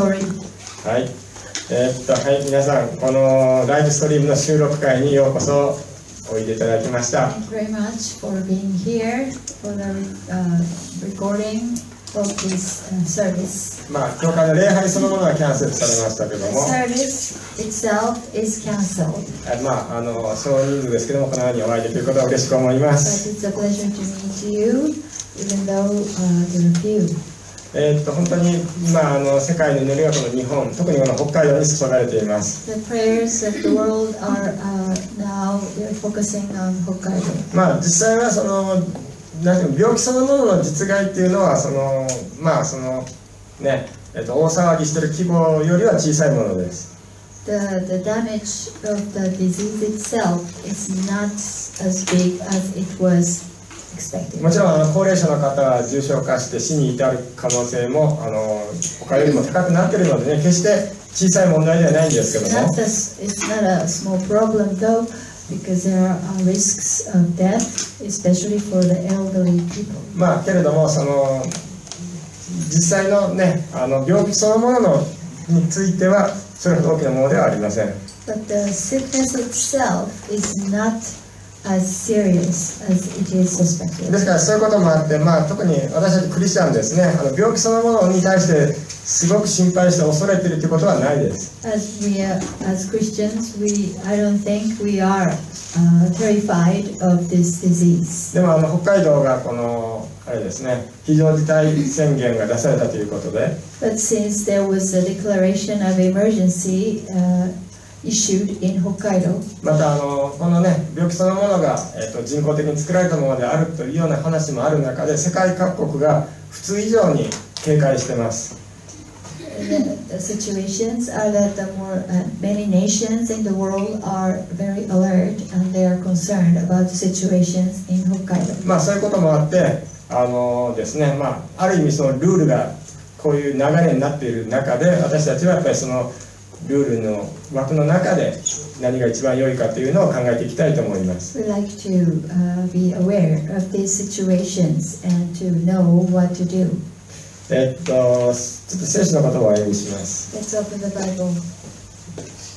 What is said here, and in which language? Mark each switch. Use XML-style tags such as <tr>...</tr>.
<ja>はい、皆さんこのライブストリームの収録会にようこそおいでいただきました。</ja> <en>Thank you very much for being here for the recording of this service.</en> <ja>まあ教会の礼拝そのものはキャンセルされましたけども、</ja> <en>The service itself is cancelled.</en> <ja>まあ少人数ですけども、このようにお会いできることは嬉しく思います。</ja> <en>But it's a pleasure to meet you even though there are few.</en> <ja>本当に今世界の祈りがこの日本、特にこの北海道に注がれています。</ja> <en>The prayers of the world are now focusing on Hokkaido.</en> <ja>まあ実際はなんていうの、病気そのものの実害っていうのはまあね、大騒ぎしてる規模よりは小さいものです。</ja> <en>The damage of the disease itself is not as big as it was</en> <ja>もちろん高齢者の方は重症化して死に至る可能性も他よりも高くなっているのでね、決して小さい問題ではないんですけども、</ja> <en>It's not a small problem though because there are risks of death especially for the elderly people.</en> <ja>まあけれども実際のね、病気そのものについてはそれほど大きなものではありません。</ja> <en>But the sickness itself is notAs serious as it is suspected.</en> <ja>ですからそういうこともあって、まあ、特に私たちクリスチャンですね、病気そのものに対してすごく心配して恐れているということはないです。</ja> <en>As we as Christians, I don't think we are terrified of this disease.</en> <ja>でも北海道がこのあれですね、非常事態宣言が出されたということで。</ja> <en>But since there was a declaration of emergency, issued in Hokkaido.</en> <ja>またこのね、病気そのものが、人工的に作られたものであるというような話もある中で、世界各国が普通以上に警戒しています。</ja> <en>The situations are that many nations in the world are very alert and they are concerned about the situations in Hokkaido.</en> <ja>まあそういうこともあってですね、まあある意味そのルールがこういう流れになっている中で、私たちはやっぱりそのルールの枠の中で何が一番良いかというのを考えていきたいと思います。</ja> <en>We'd like to be aware of these situations and to know what to do.</en> <ja>ちょっと聖書の言葉を読みします。</ja> <en>Let's open the Bible.</en>